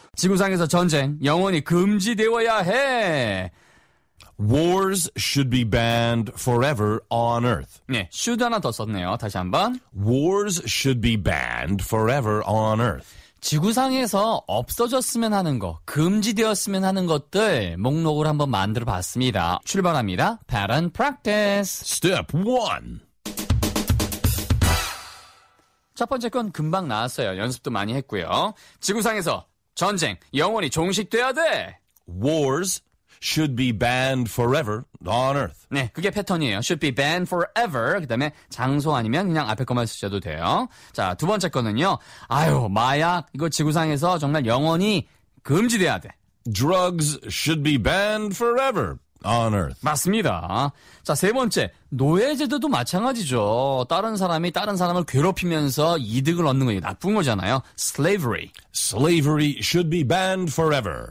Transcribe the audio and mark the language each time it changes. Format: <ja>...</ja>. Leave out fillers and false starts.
<ko>지구상에서 전쟁 영원히 금지되어야 해.</ko> <en>Wars should be banned forever on Earth.</en> <ko>네, should 하나 더 썼네요. 다시 한번.</ko> <en>Wars should be banned forever on Earth.</en> <ko>지구상에서 없어졌으면 하는 것, 금지되었으면 하는 것들 목록을 한번 만들어봤습니다. 출발합니다. Pattern Practice.</ko> <en>Step 1.</en> <ko>첫 번째 건 금방 나왔어요. 연습도 많이 했고요. 지구상에서 전쟁 영원히 종식돼야 돼.</ko> <en>Wars should be banned forever on Earth.</en> <ko>네, 그게 패턴이에요.</ko> <en>Should be banned forever.</en> <ko>그다음에 장소 아니면 그냥 앞에 것만 쓰셔도 돼요. 자, 두 번째 거는요. 아유, 마약 이거 지구상에서 정말 영원히 금지돼야 돼.</ko> <en>Drugs should be banned forever on Earth.</en> <ko>맞습니다. 자, 세 번째, 노예제도도 마찬가지죠. 다른 사람이 다른 사람을 괴롭히면서 이득을 얻는 거 나쁜 거잖아요.</ko> <en>Slavery. Slavery should be banned forever.</en>